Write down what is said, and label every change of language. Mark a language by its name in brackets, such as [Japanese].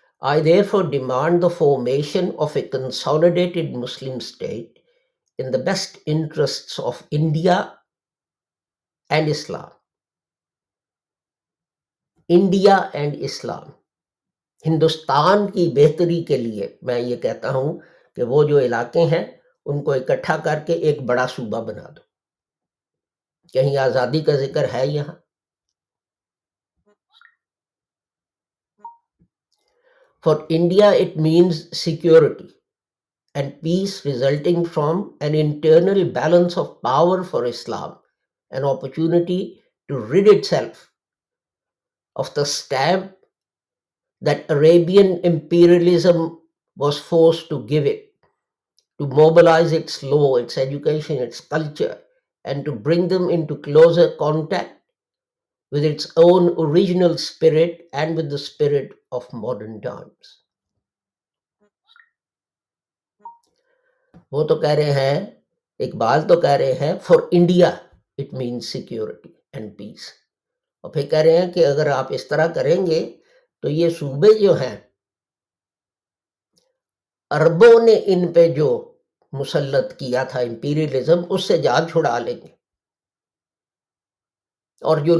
[English] I therefore demand the formation of a consolidated Muslim state in the best interests of India and Islam. India and Islam, [Urdu] ہندوستان کی بہتری کے لیے میں یہ کہتا ہوں کہ وہ جو علاقے ہیں ان کو اکٹھا کر کے ایک بڑا صوبہ بنا دو۔ کہیں آزادی کا ذکر ہے یہاں؟ [English] For India, it means security and peace resulting from an internal balance of power for Islam, an opportunity to rid itself of the stamp that Arabian imperialism was forced to give it, to mobilize its law, its education, its culture, and to bring them into closer contact with its own original spirit and with the spirit of modern times. [Urdu] وہ تو کہہ رہے ہیں, اقبال تو کہہ رہے ہیں, [English] For India it means security and peace. [Urdu] اور پھر کہہ رہے ہیں کہ اگر آپ اس طرح کریں گے تو یہ صوبے جو ہیں عربوں نے ان پہ جو مسلط کیا تھا امپیریلزم, اس سے جان چھڑا لیں گے, اور